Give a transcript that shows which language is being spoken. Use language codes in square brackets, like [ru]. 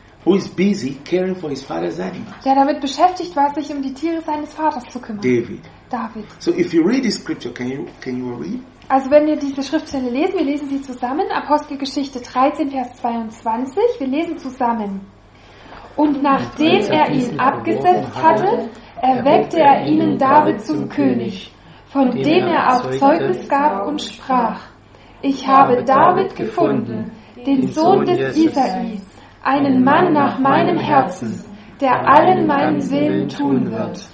[en] Who is busy caring for his father's animals? [de] Der damit beschäftigt war, sich um die Tiere seines Vaters zu kümmern. [en] David. [de] David. [en] So if you read the scripture, can you read? [de] Also wenn wir diese Schriftstelle lesen, wir lesen sie zusammen. Apostelgeschichte 13, Vers 22. Wir lesen zusammen. Und nachdem er ihn abgesetzt hatte, erweckte er ihnen David zum König, von dem er auch Zeugnis gab und sprach: Ich habe David gefunden, den Sohn des Isai, einen Mann nach meinem Herzen, der allen meinen Willen tun wird.